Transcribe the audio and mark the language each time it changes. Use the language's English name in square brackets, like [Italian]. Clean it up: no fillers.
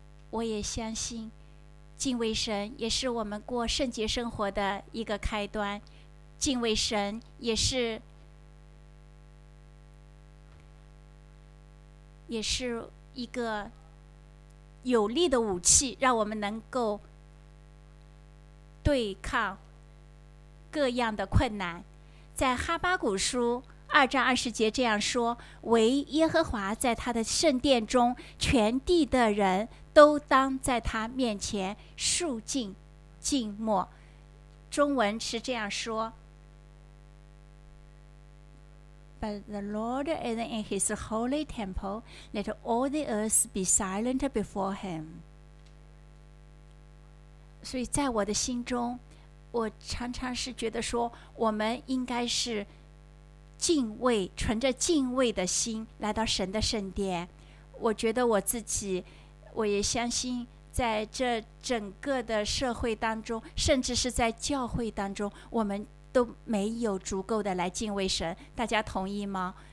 [Chinese] 我也相信敬畏神也是我们过圣洁生活的一个开端，敬畏神也是一个有力的武器，让我们能够对抗各样的困难。在哈巴谷书2:20这样说，唯耶和华在他的圣殿中，全地的人都当在他面前肃静静默。中文是这样说， [English] But the Lord is in his holy temple, let all the earth be silent before him. [Chinese] 所以在我的心中，我常常是觉得说，我们应该是敬畏，存着敬畏的心来到神的圣殿。我觉得我自己，我也相信在这整个的社会当中，甚至是在教会当中，我们都没有足够的来敬畏神，大家同意吗？